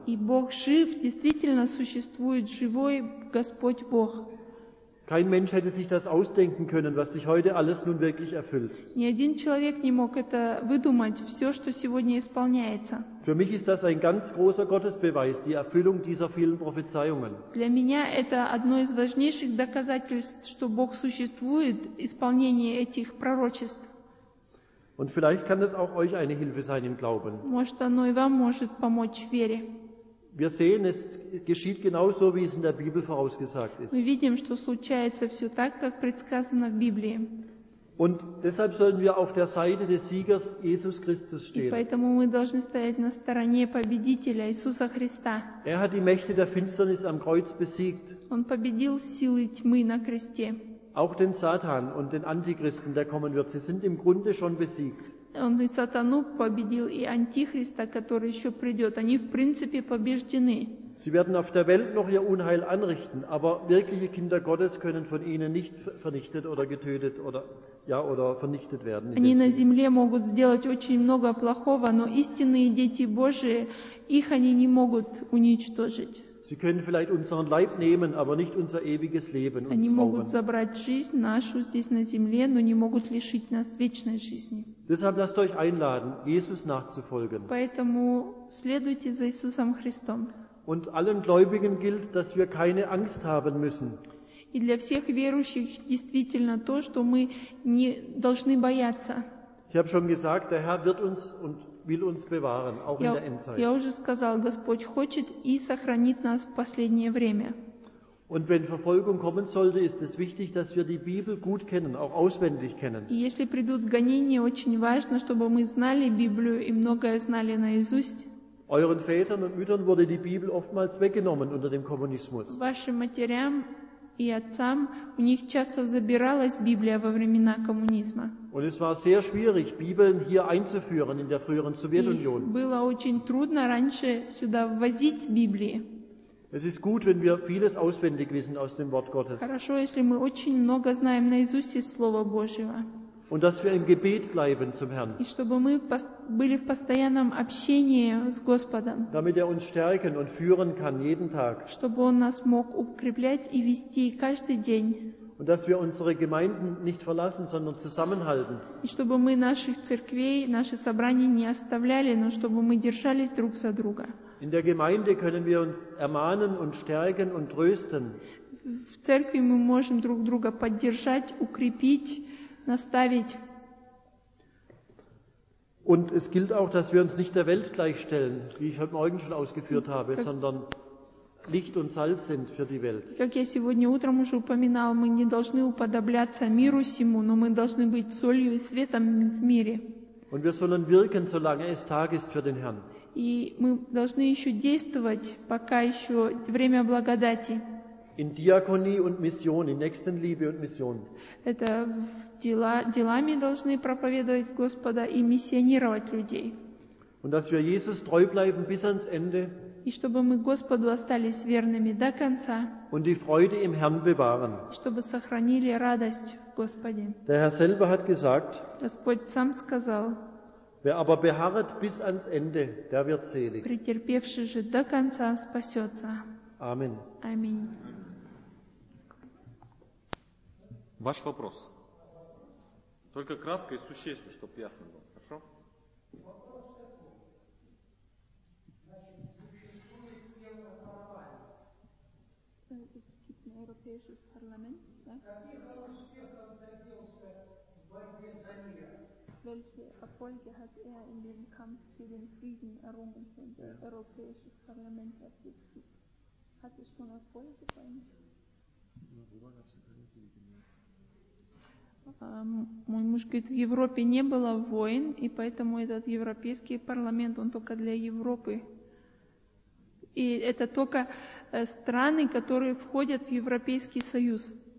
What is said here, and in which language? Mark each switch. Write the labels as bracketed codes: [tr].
[ru] И Бог жив, действительно существует живой Господь Бог. [de] Kein Mensch hätte sich das ausdenken können, was sich heute alles nun wirklich erfüllt. [ru] Ни один человек не мог это выдумать, все, что сегодня исполняется. [de] Für mich ist das ein ganz großer Gottesbeweis, die Erfüllung dieser vielen Prophezeiungen. [ru] Для меня это одно из важнейших доказательств, что Бог существует, исполнение этих пророчеств. [de] Und vielleicht kann das auch euch eine Hilfe sein im Glauben. [ru] Может, оно и вам может помочь в вере. [de] Wir sehen, es geschieht genauso, wie es in der Bibel vorausgesagt ist. [ru] Мы видим, что случается все так, как предсказано в Библии. [de] Und deshalb sollen wir auf der Seite des Siegers Jesus Christus stehen. [ru] И поэтому мы должны стоять на стороне победителя Иисуса Христа. [de] Er hat die Mächte der Finsternis am Kreuz besiegt. [ru] Он победил силы тьмы на кресте. [de] Auch den Satan und den Antichristen, der kommen wird, sie sind im Grunde schon besiegt. [ru] Он и сатану победил, и антихриста, который еще придет. Они, в принципе, побеждены. [de] Sie werden auf der Welt noch ihr Unheil anrichten, aber wirkliche Kinder Gottes können von ihnen nicht vernichtet oder getötet oder, ja, oder vernichtet werden. [ru] Они на земле могут сделать очень много плохого, но истинные дети Божии, их они не могут уничтожить. [de] Sie können vielleicht unseren Leib nehmen, aber nicht unser ewiges Leben. [ru] Они могут забрать жизнь нашу здесь на земле, но не могут лишить нас вечной жизни. [de] Deshalb lasst euch einladen, Jesus nachzufolgen. [ru] Поэтому следуйте за Иисусом Христом. [de] Und allen Gläubigen gilt, dass wir keine Angst haben müssen. [ru] И для всех верующих действительно то, что мы не должны бояться. [de] Ich habe schon gesagt, der Herr wird uns und will uns bewahren, auch in der Endzeit. [ru] Я уже сказал, Господь хочет и сохранит нас в последнее время. [de] Und wenn Verfolgung kommen sollte, ist es wichtig, dass wir die Bibel gut kennen, auch auswendig kennen. [ru] И если придут гонения, очень важно, чтобы мы знали Библию и многое знали наизусть. [de] Euren Vätern und Müttern wurde die Bibel oftmals weggenommen unter dem Kommunismus. [ru] Вашим матерям и отцам у них часто забиралась Библия во времена коммунизма. [de] Und es war sehr schwierig, Bibeln hier einzuführen in der früheren Sowjetunion. [ru] Было очень трудно раньше сюда ввозить Библии. [de] Es ist gut, wenn wir vieles auswendig wissen aus dem Wort Gottes. [ru] Хорошо, если мы очень много знаем наизусть из Слова Божьего. [de] Und dass wir im Gebet bleiben zum Herrn. [ru] И чтобы мы были в постоянном общении с Господом. [de] Damit er uns stärken und führen kann jeden Tag. [ru] Чтобы он нас мог укреплять и вести каждый день. [de] Und dass wir unsere Gemeinden nicht verlassen, sondern zusammenhalten. [ru] И чтобы мы наших церквей, наши собрания не оставляли, но чтобы мы держались друг за друга. [de] In der Gemeinde können wir uns ermahnen und stärken und trösten. [ru] В церкви мы можем друг друга поддержать, укрепить, наставить. [de] Und es gilt auch, dass wir uns nicht der Welt gleichstellen, wie ich heute Morgen schon ausgeführt habe, sondern Licht und Salz sind für die Welt. [ru] Как я сегодня утром уже упоминал, мы не должны уподобляться миру сему, но мы должны быть солью и светом в мире. [de] Und wir sollen wirken, solange es Tag ist für den Herrn. [ru] И мы должны еще действовать, пока еще время благодати. [de] In Diakonie und Mission, in Nächstenliebe und Mission. [ru] Это делами должны проповедовать Господа и миссионировать людей. [de] Und dass wir Jesus treu bleiben bis ans Ende. [ru] И чтобы мы Господу остались верными до конца. [de] Und die Freude im Herrn bewahren. [ru] Чтобы сохранили радость в Господе. [de] Der Herr selber hat gesagt, [ru] Господь сам сказал, [de] wer aber beharret bis ans Ende, der wird selig. [ru] Претерпевший же до конца спасется. [de] Amen. [ru] Аминь. Ваш вопрос. Только кратко и существенно, чтобы ясно было. Хорошо? Европейский парламент, да? [de] Welche Erfolge hat in dem Kampf für den Frieden errungen? Das Europäische Parlament hat es schon Erfolge bei [ru] Мой муж говорит, в Европе не было войн, и поэтому этот Европейский парламент, он только для Европы. И это только страны, которые входят в Европейский Союз.